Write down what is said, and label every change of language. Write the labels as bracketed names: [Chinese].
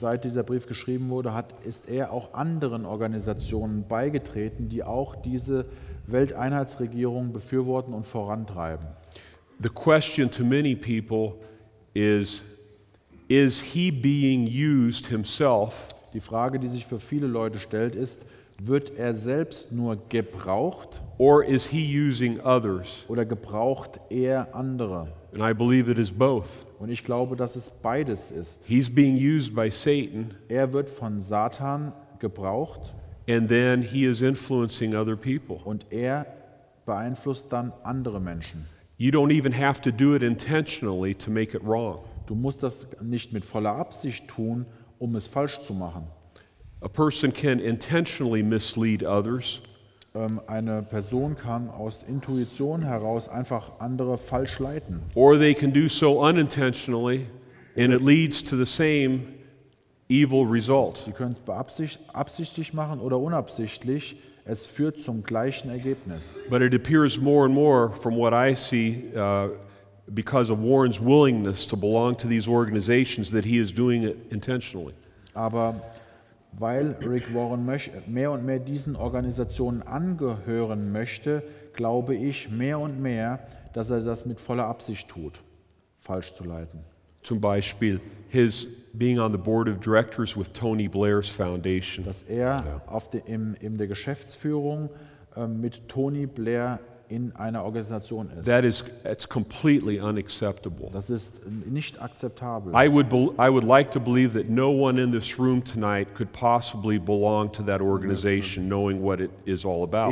[German] Seit dieser Brief geschrieben wurde, ist er auch anderen Organisationen beigetreten, die auch diese Welteinheitsregierung befürworten und vorantreiben. [English] The question to many people is, is he being used himself? [German] Die Frage, die sich für viele Leute stellt, ist, wird er selbst nur gebraucht? [English] Or is he using others? [German] Oder gebraucht er andere? [English] And I believe it is both. [German] Und ich glaube, dass es beides ist. [English] He's being used by Satan. [German] Er wird von Satan gebraucht. [English] And then he is influencing other people. [German] Und er beeinflusst dann andere Menschen. [English] You don't even have to do it intentionally to make it wrong. [German] Du musst das nicht mit voller Absicht tun, um es falsch zu machen. [English] A person can intentionally mislead others. [German] Eine Person kann aus Intuition heraus einfach andere falsch leiten. [English] Or they can do so unintentionally, and it leads to the same evil result. [German] Sie können es absichtlich machen oder unabsichtlich. Es führt zum gleichen Ergebnis. [English] But it appears more and more, from what I see, because of Warren's willingness to belong to these organizations, that he is doing it intentionally. [German] Aber weil Rick Warren mehr und mehr diesen Organisationen angehören möchte, glaube ich mehr und mehr, dass er das mit voller Absicht tut, falsch zu leiten. Zum Beispiel [English] his being on the board of directors with Tony Blair's foundation. [German] Dass er in der Geschäftsführung mit Tony Blair in einer Organisation ist. [English] That is, it's completely unacceptable. [German] Das ist nicht akzeptabel. [English] I would like to believe that no one in this room tonight could possibly belong to that organization, knowing what it is all about.